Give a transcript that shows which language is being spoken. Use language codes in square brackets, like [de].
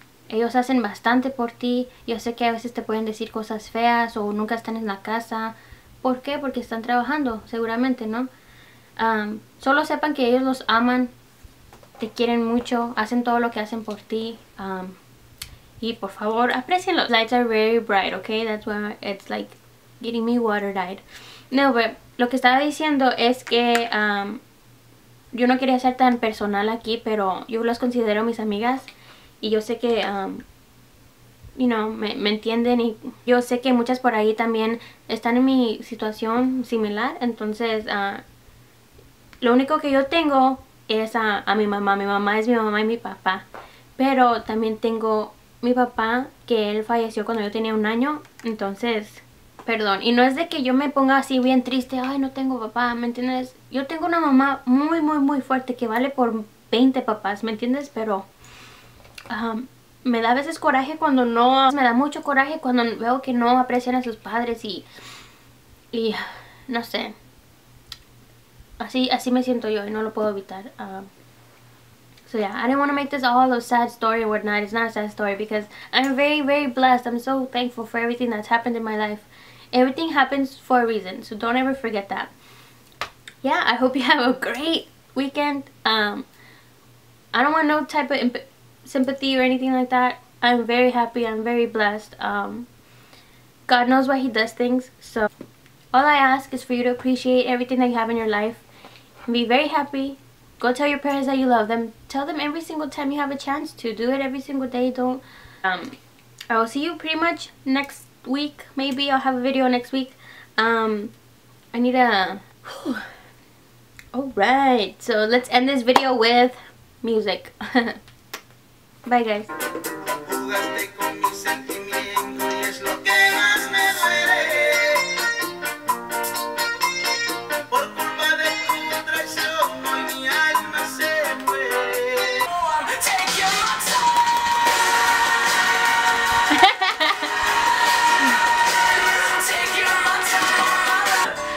[es] Ellos hacen bastante por ti. Yo sé que a veces te pueden decir cosas feas o nunca están en la casa. ¿Por qué? Porque están trabajando, seguramente, ¿no? Solo sepan que ellos los aman, te quieren mucho, hacen todo lo que hacen por ti. Y por favor, aprecienlo. [en] Lights are very bright, okay? That's why it's like getting me watery-eyed. No, but [es] lo que estaba diciendo es que yo no quería ser tan personal aquí, pero yo las considero mis amigas. Y yo sé que, me entienden, y yo sé que muchas por ahí también están en mi situación similar. Entonces, lo único que yo tengo es a mi mamá. Mi mamá es mi mamá y mi papá. Pero también tengo mi papá, que él falleció cuando yo tenía un año. Entonces, perdón. Y no es de que yo me ponga así bien triste, ay, no tengo papá, ¿me entiendes? Yo tengo una mamá muy, muy, muy fuerte que vale por 20 papás, ¿me entiendes? Pero me da a veces coraje cuando no, me da mucho coraje cuando veo que no aprecian a sus padres y no sé, así me siento yo y no lo puedo evitar. [en] So yeah, I didn't want to make this all a sad story or whatnot. It's not a sad story because I'm very, very blessed. I'm so thankful for everything that's happened in my life. Everything happens for a reason, so don't ever forget that. Yeah, I hope you have a great weekend. I don't want no type of sympathy or anything like that. I'm very happy, I'm very blessed. God knows why he does things, so all I ask is for you to appreciate everything that you have in your life and be very happy. Go tell your parents that you love them. Tell them every single time you have a chance to. Do it every single day. Don't I will see you pretty much next week. Maybe I'll have a video next week. I need a all right, so let's end this video with music. Bye, guys. [es] Jugaste con mis sentimientos y es lo que más me duele. Por culpa de tu traición, hoy mi alma se muere. [en] Take your time.